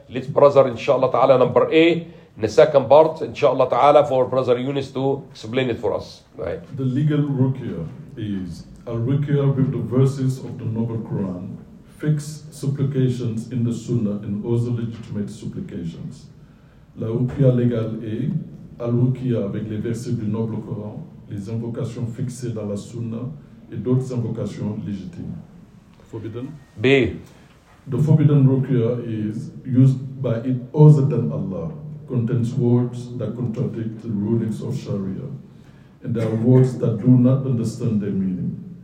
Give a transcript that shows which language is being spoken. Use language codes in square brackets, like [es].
[en] Let's brother, inshallah ta'ala, number A, in the second part, inshallah ta'ala, for brother Yunus to explain it for us. Right. The legal ruqya is a ruqya with the verses of the noble Quran, fixed supplications in the sunnah and other legitimate supplications. [fr] La ruqya legale est a ruqya avec les versets du noble Quran, les invocations fixées dans la sunnah et d'autres invocations légitimes. [en] Forbidden? B. The forbidden ruqya is used by it other than Allah, contains words that contradict the rulings of Sharia, and there are words that do not understand their meaning.